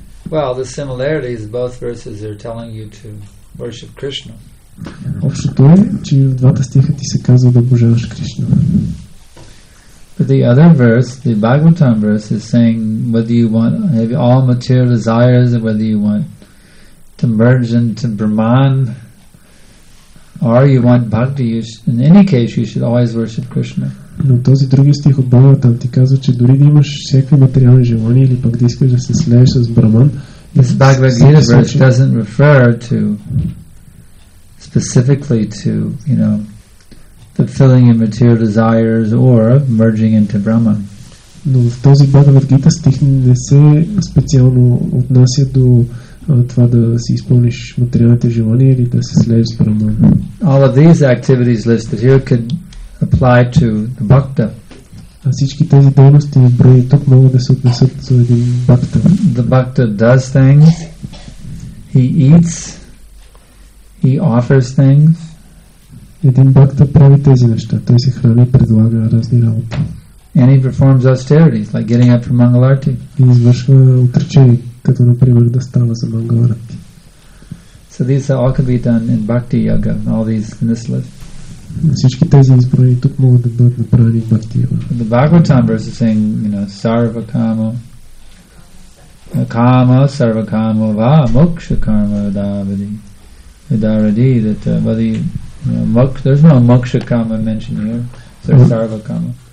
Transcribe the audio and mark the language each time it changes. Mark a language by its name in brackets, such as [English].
[English] Well, the similarities, both verses are telling you to worship Krishna. [Bulgarian] Общото е, че в двата стиха ти се казва да обожаваш Кришна. [English] But the other verse, the Bhagavatam verse, is saying whether you want have all material desires, or whether you want to merge into Brahman, or you want bhakti, in any case you should always worship Krishna. [Bulgarian] Но този другия стих от Бхагаватам ти казва, че дори да имаш всякакви материални желания или пък да искаш да се слееш с Браман. [English] This Bhagavad Gita verse doesn't refer to specifically to, you know, fulfilling your material desires or merging into Brahman. [Bulgarian] Но в този Бхагавад Гита стих не се специално отнася до това да си изпълниш материалните желания или да се слееш с Браман. [English] All of these activities listed here could apply to the bhakta. [Bulgarian] А всички тези дейности в брой тук могат да се отнесат за един бхакта. [English] The bhakta does things. He eats. He offers things. [Bulgarian] Един бхакта прави тези неща. Той се храни и предлага разни работи. [English] And he performs austerities, like getting up for Mangalarti. [Bulgarian] И извършва отречение, като например да става за Мангаларти. [English] So these are all can be done in bhakti yoga, all these nislas. [Bulgarian] Всички тези избрани тук могат да бъдат направени в бхакти йога. [English] The Bhagavatam verse is saying, you know, [Sanskrit] sarva kama, kama sarva kama va moksha kama udavadi udaradi, [English] that whether you, you know, there's no moksha kama mentioned here, so sarva kama.